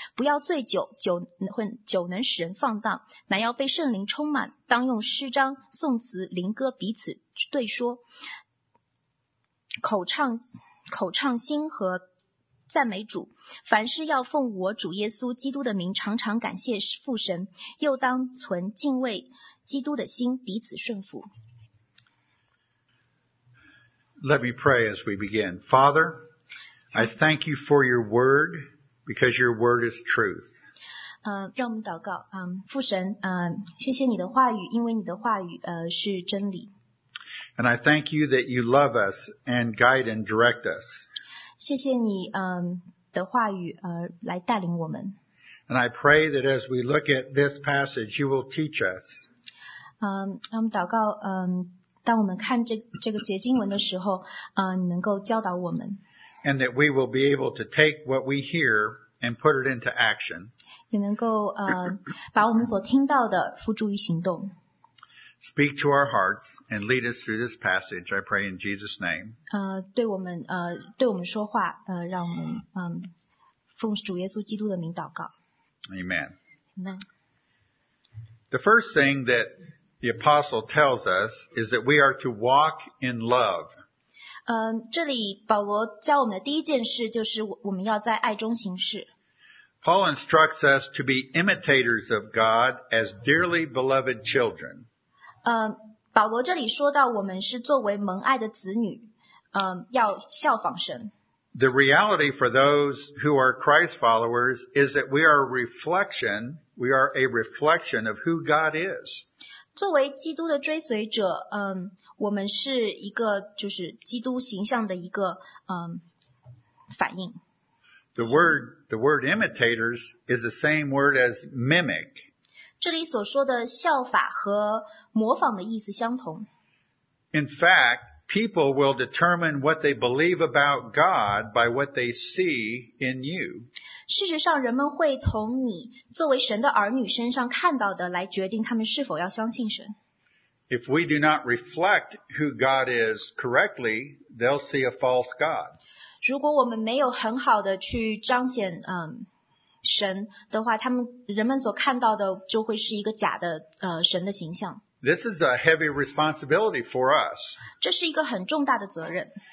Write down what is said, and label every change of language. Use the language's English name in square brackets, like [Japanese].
[Chinese] 不要醉酒，酒能使人放荡，乃要被圣灵充满，当用诗章、颂词、灵歌彼此对说，口唱心和赞美主。凡事要奉我主耶稣基督的名常常感谢父神，又当存敬畏基督的心，彼此顺服。 [English] Let me pray as we begin. Father, I thank you for your word, because your word is truth. [Chinese] 让我们祷告。父神，谢谢你的话语，因为你的话语是真理。 [English] And I thank you that you love us and guide and direct us. [Chinese] 谢谢你的话语来带领我们。 [English] And I pray that as we look at this passage, you will teach us. [Chinese] 让我们祷告，当我们看这个节经文的时候，你能够教导我们。 [English] And that we will be able to take what we hear and put it into action. [Chinese] 也能够把我们所听到的付诸于行动。 [English] Speak to our hearts and lead us through this passage, I pray in Jesus' name. [Chinese] 对我们说话，让我们奉主耶稣基督的名祷告。 [English] Amen. Amen. The first thing that the apostle tells us is that we are to walk in love. [Chinese] 这里保罗教我们的第一件事就是我们要在爱中行事。 [English] Paul instructs us to be imitators of God as dearly beloved children. [Chinese] 保罗这里说到我们是作为蒙爱的子女，要效仿神。 [English] The reality for those who are Christ followers is that we are a reflection of who God is. [Chinese] 作为基督的追随者，我们是一个就是基督形象的一个反应。 [English] The word imitators is the same word as mimic. [Chinese] 这里所说的效法和模仿的意思相同。 [English] In fact, people will determine what they believe about God by what they see in you. [Chinese] 事实上，人们会从你作为神的儿女身上看到的来决定他们是否要相信神。 [English] If we do not reflect who God is correctly, they'll see a false God. [Chinese] 如果我们没有很好的去彰显神的话，人们所看到的就会是一个假的神的形象。 [English] This is a heavy responsibility for us. [Chinese] 这是一个很重大的责任。